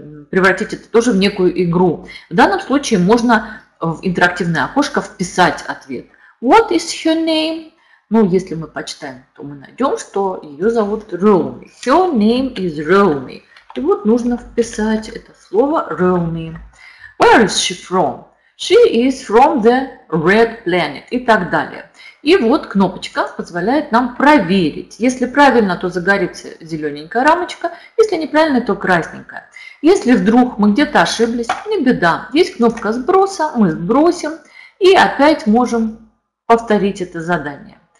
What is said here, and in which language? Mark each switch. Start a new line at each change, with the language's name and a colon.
Russian: превратить это тоже в некую игру. В данном случае можно в интерактивное окошко вписать ответ.
English: What is her name?
Russian: Ну, если мы почитаем, то мы найдем, что ее зовут Realme.
English: Her name is Realme.
Russian: И вот нужно вписать это слово Realme.
English: Where is she from? She is from the red planet.
Russian: И так далее. И вот кнопочка позволяет нам проверить. Если правильно, то загорится зелененькая рамочка. Если неправильно, то красненькая. Если вдруг мы где-то ошиблись, не беда. Есть кнопка сброса, мы сбросим и опять можем повторить это задание.